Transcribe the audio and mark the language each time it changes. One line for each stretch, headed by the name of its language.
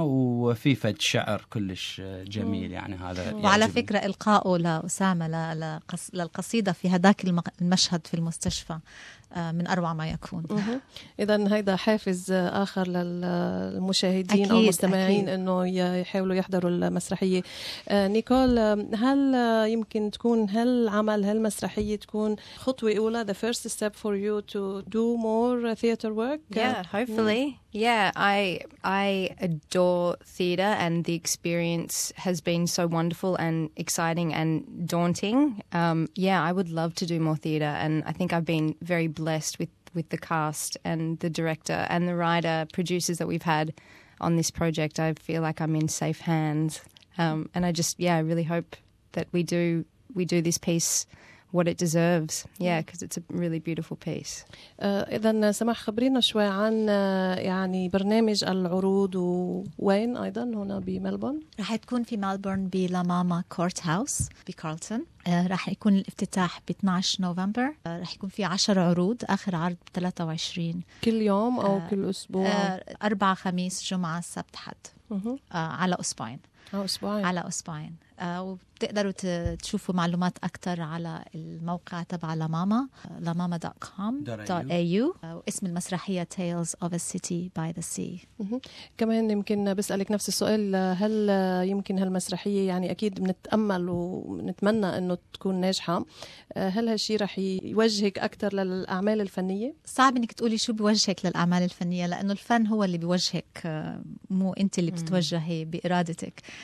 Arabic: وفي فد شعر كلش جميل يعني هذا وعلى فكرة إلقاؤه لأسامة للقصيدة في هداك المشهد في المستشفى من أروع ما يكون. إذن هيدا حافز آخر للمشاهدين أكيد أو المستمعين أنه يحاولوا يحضروا المسرحية. نيكول، هل يمكن تكون هالعمل هالمسرحية تكون خطوة أولى,
English: the first step for you to do more theater work? Yeah, hopefully. Yeah, I adore theater, and the experience has been so wonderful and exciting and daunting. Yeah, I would love to do more theater, and I think I've been very blessed with the cast and the director and the writer, producers that we've had on this project. I feel like I'm in safe hands, and I just, yeah, I really hope that we do this piece what it deserves. Yeah, because it's a really beautiful piece.
Arabic: إذن سمح خبرينا شوي عن يعني برنامج العروض, وين أيضا هنا بملبورن؟ راح تكون في ملبورن بلاماما كورت هاوس بكارلتون. راح يكون الافتتاح ب 12 نوفمبر. راح يكون في 10 عروض, آخر عرض 23. كل يوم أو كل أسبوع؟ أربعة, خميس, جمعة, سبت, حد. على أسبوعين. على أسبوعين. وبتقدروا تشوفوا معلومات أكثر على الموقع تبع لماما, lamama.com.au. واسم المسرحية Tales of a City by the Sea. كمان يمكن بسألك نفس السؤال, هل يمكن هالمسرحية, يعني أكيد بنتأمل ونتمنى أنه تكون ناجحة, هل هالشي رح يوجهك أكثر للأعمال الفنية؟ صعب أنك تقولي شو بيوجهك للأعمال الفنية, لأنه الفن هو اللي بيوجهك, مو أنت اللي بتتوجهي بإرادتك.